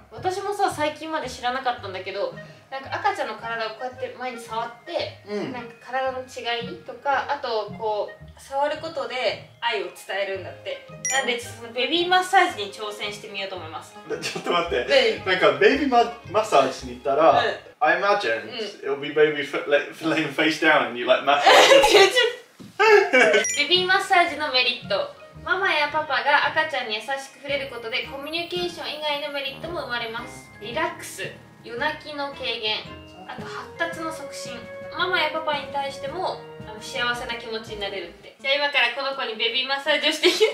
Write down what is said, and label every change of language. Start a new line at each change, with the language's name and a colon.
Japanese: 私もさ、最近まで知らなかったんだけど、なんか赤ちゃんの体をこうやって前に触って、うん、なんか体の違いとか、あとこう触ることで愛を伝えるんだって。なんでちょっとそのベビーマッサージに挑戦してみようと思います。ちょっと待って、なんかベビーマッサージに行ったら、うん、
English: I imagine it'll be baby laying face down and you like massage.
Japanese: ベビーマッサージのメリット。ママやパパが赤ちゃんに優しく触れることでコミュニケーション以外のメリットも生まれます。リラックス、夜泣きの軽減、あと発達の促進。ママやパパに対しても幸せな気持ちになれるって。じゃあ今からこの子にベビーマッサージをしてい